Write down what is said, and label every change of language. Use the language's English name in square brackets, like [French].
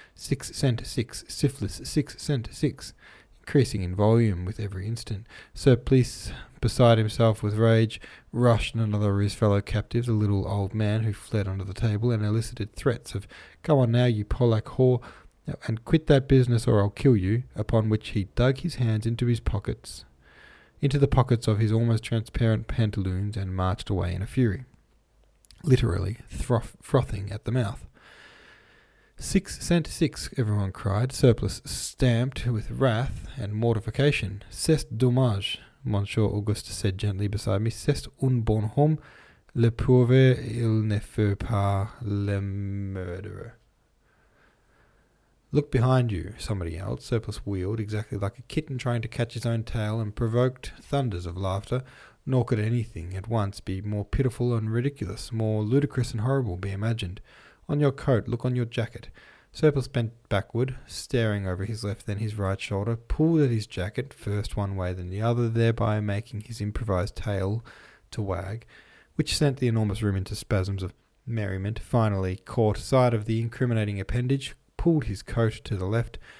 [English] 6 cent, 6 syphilis, 6 cent, 6. Increasing in volume with every instant, Surplice, beside himself with rage, rushed another of his fellow captives, a little old man who fled under the table, and elicited threats of, Go on now, you Polak whore, and quit that business or I'll kill you, upon which he dug his hands into his pockets, into the pockets of his almost transparent pantaloons, and marched away in a fury, literally frothing at the mouth. 6 cent, 6, everyone cried. Surplice stamped with wrath and mortification. [French] C'est dommage, [English] Monsieur Auguste said gently beside me. [French] C'est un bon homme. Le pauvre, il ne fait pas le murderer. [English] Look behind you, somebody yelled. Surplice wheeled, exactly like a kitten trying to catch his own tail, and provoked thunders of laughter. Nor could anything at once be more pitiful and ridiculous, more ludicrous and horrible, be imagined. On your coat, look on your jacket. Surplice bent backward, staring over his left, then his right shoulder, pulled at his jacket, first one way, then the other, thereby making his improvised tail to wag, which sent the enormous room into spasms of merriment, finally caught sight of the incriminating appendage, pulled his coat to the left,